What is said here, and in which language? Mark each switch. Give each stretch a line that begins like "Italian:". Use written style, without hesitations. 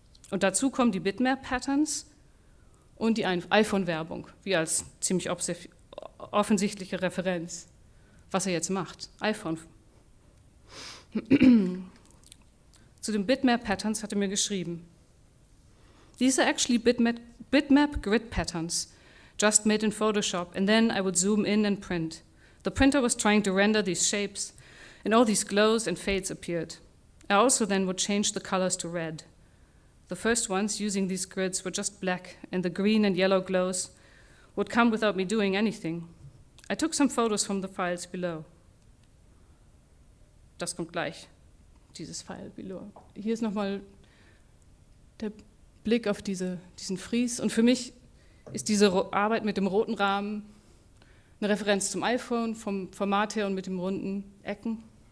German: Und dazu kommen die Bitmap-Patterns und die iPhone-Werbung, wie als ziemlich offensichtliche Referenz, was er jetzt macht. iPhone. Zu den Bitmap-Patterns hat er mir geschrieben.
English: These are actually bitmap grid patterns, just made in Photoshop, and then I would zoom in and print. The printer was trying to render these shapes, and all these glows and fades appeared. I also then would change the colors to red. The first ones using these grids were just black, and the green and yellow glows would come without me doing anything. I took some photos from the files below.
German: Das kommt gleich, dieses File below. Hier ist nochmal der Blick auf diesen Fries. Und für mich ist diese Arbeit mit dem roten Rahmen eine Referenz zum iPhone, vom Format her und mit den runden Ecken.